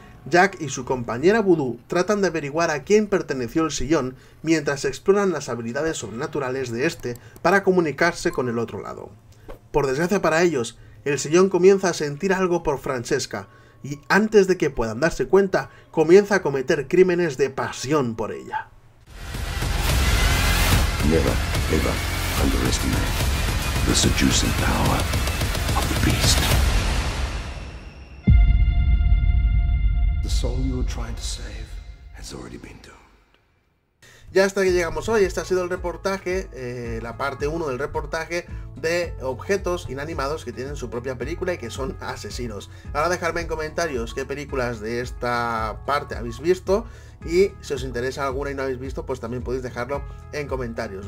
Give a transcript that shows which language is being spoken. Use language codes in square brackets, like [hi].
[es] Jack y su compañera Voodoo tratan de averiguar a quién perteneció el sillón mientras exploran las habilidades sobrenaturales de este para comunicarse con el otro lado. Por desgracia para ellos, el sillón comienza a sentir algo por Francesca y antes de que puedan darse cuenta, comienza a cometer crímenes de pasión por ella. [en] Never, ever underestimate the seducing power of the beast. The soul you were trying to save has already been doomed. [es] Ya hasta que llegamos hoy, este ha sido el reportaje, la parte 1 del reportaje de objetos inanimados que tienen su propia película y que son asesinos. Ahora dejadme en comentarios qué películas de esta parte habéis visto. Y si os interesa alguna y no habéis visto, pues también podéis dejarlo en comentarios.